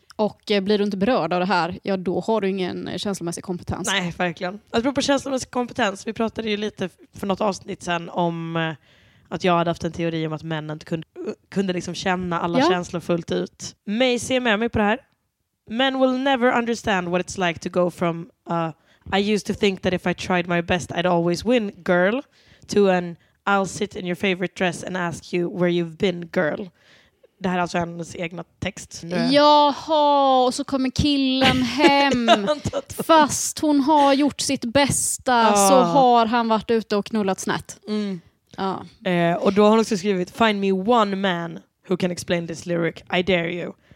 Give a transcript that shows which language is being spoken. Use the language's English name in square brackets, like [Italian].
[Swedish] Och blir du inte berörd av det här, ja, då har du ingen känslomässig kompetens. Nej, verkligen. Att prova på känslomässig kompetens. Vi pratade ju lite för något avsnitt sen om att jag hade haft en teori om att männen inte kunde liksom känna alla känslor fullt ut. Maisie är med mig på det här. [English] "Men will never understand what it's like to go from I used to think that if I tried my best I'd always win, girl, to an I'll sit in your favorite dress and ask you where you've been, girl." [Swedish] Det här är alltså hennes egna text. Jaha, och så kommer killen hem. Fast hon har gjort sitt bästa så har han varit ute och knullat snett. Mm. Ja. Och då har hon också skrivit [English] "Find me one man who can explain this lyric, I dare you."